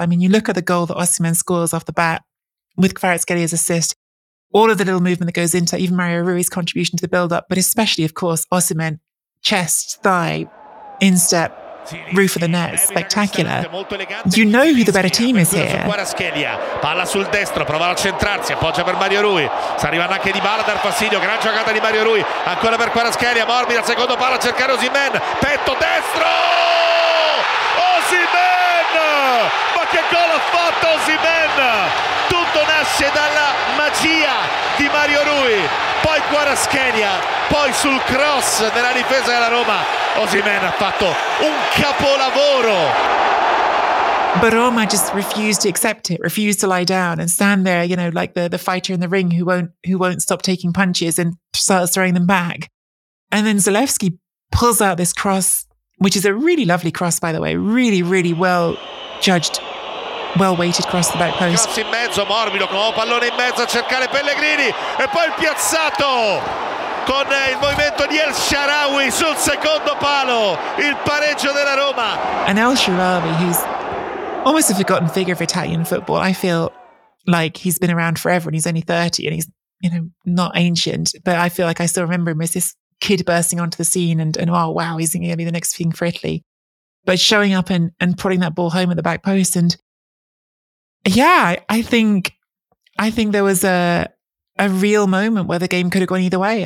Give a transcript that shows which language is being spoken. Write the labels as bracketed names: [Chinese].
[English] I mean, you look at the goal that Osimhen scores off the bat with Kvaratskhelia's assist, all of the little movement that goes into it, even Mario Rui's contribution to the build-up, but especially, of course, Osimhen, chest, thigh, instep, roof of the net, spectacular. You know who the better team is here. [Italian] Kvaratskhelia, palla sul destro, prova a centrarsi, appoggia per Mario Rui. Sta arrivando anche Di Bala dal fastidio, gran giocata di Mario Rui. Ancora per Kvaratskhelia, morbida, secondo palla a cercare Osimhen, petto destro! Osimhen! Ma che gol ha fatto Osimhen! Tutto nasce dalla magia di Mario Rui. Poi Kvaratskhelia, poi sul cross della difesa della Roma. Osimhen ha fatto un capolavoro. [English] But Roma just refused to accept it, refused to lie down and stand there, you know, like the fighter in the ring who won't stop taking punches and starts throwing them back. And then Zalewski pulls out this cross which is a really lovely cross, by the way. Really, really well judged, well weighted cross the back post. [Italian] Cross in mezzo, morbido, con pallone in mezzo a cercare Pellegrini e poi piazzato con il movimento di El Shaarawy sul secondo palo, il pareggio della Roma. [English] And El Shaarawy, who's almost a forgotten figure of Italian football, I feel like he's been around forever and he's only 30 and he's, you know, not ancient, but I feel like I still remember him as this kid bursting onto the scene and oh, wow, he's going to be the next thing for Italy. But showing up and putting that ball home at the back post. And yeah, I think there was a real moment where the game could have gone either way.